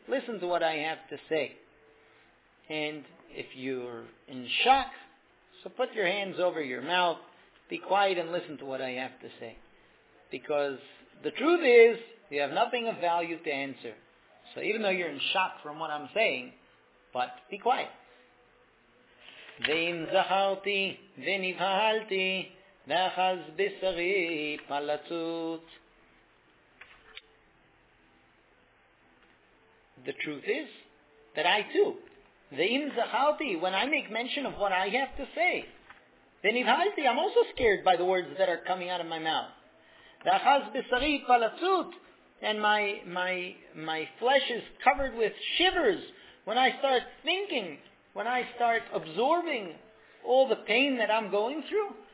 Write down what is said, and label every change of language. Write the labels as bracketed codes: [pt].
[en] Listen to what I have to say. And if you're in shock, so put your hands over your mouth, be quiet and listen to what I have to say. Because the truth is, you have nothing of value to answer. So even though you're in shock from what I'm saying, but be quiet. [he] ואם זכרתי ונבהלתי, ואחז בשרי פלצות. [en] The truth is that I too, [he] ואם זכרתי, [en] when I make mention of what I have to say, [he] ונבהלתי, [en] I'm also scared by the words that are coming out of my mouth. [he] ואחז בשרי פלצות, [en] and my flesh is covered with shivers when I start thinking, when I start absorbing all the pain that I'm going through.